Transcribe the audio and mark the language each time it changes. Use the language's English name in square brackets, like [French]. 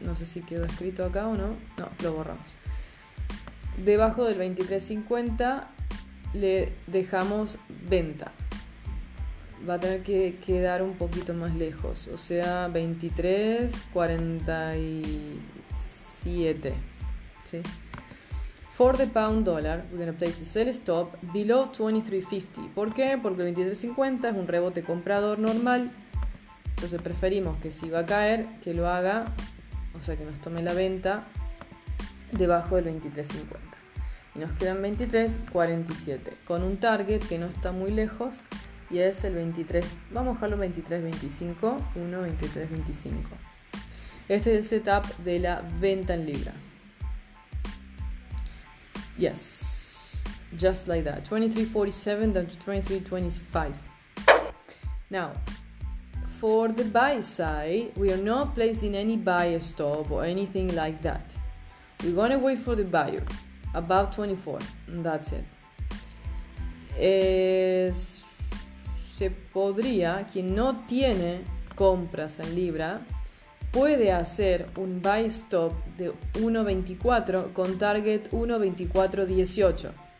[Spanish] No sé si quedó escrito acá o no. No, lo borramos. Debajo del 2350 le dejamos venta. Va a tener que quedar un poquito más lejos, o sea, 2347. ¿Sí? [English] For the pound dollar, we're going to place a sell stop below 2350. [Spanish] ¿Por qué? Porque el 2350 es un rebote comprador normal. Entonces preferimos que si va a caer, que lo haga, o sea, que nos tome la venta debajo del 2350. Y nos quedan 2347 con un target que no está muy lejos y es el 23. Vamos a dejarlo 2325, 1, 2325. Este es el setup de la venta en libra. [English] Yes, just like that. 2347 down to 2325. Now, for the buy side, we are not placing any buy stop or anything like that. We're going to wait for the buyer, about 24. That's it. [Spanish] Se podría, quien no tiene compras en libra, puede hacer un buy stop de 1.24 con target 1.2418.